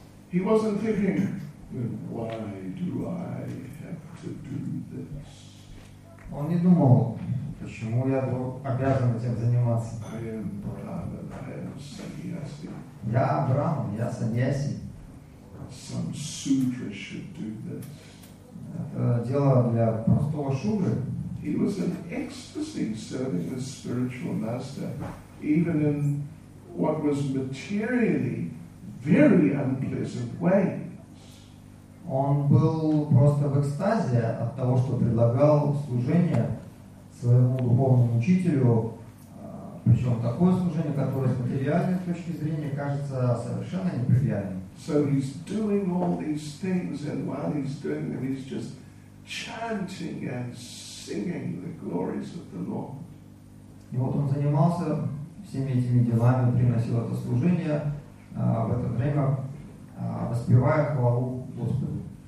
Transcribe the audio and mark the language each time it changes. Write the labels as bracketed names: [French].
[English] He wasn't thinking, why do I have to do this? [Russian] Он не думал, почему я обязан этим заниматься. [English] I am Brahman, I am sannyasi. [Russian] Я Брахман, я саньяси. [English] Some sutra should do this. [Russian] Это дело для простого шудры. [English] He was in ecstasy serving his spiritual master, even in what was materially very unpleasant ways. [Russian] Он был просто в экстазе от того, что предлагал служение своему духовному учителю, причем такое служение, которое с материальной точки зрения кажется совершенно неприятным. [English] So he's doing all these things, and while he's doing them, he's just chanting and singing the glories of the Lord. [Russian] И вот он занимался всеми этими делами, приносил это служение, в это время воспевая хвалу Господу.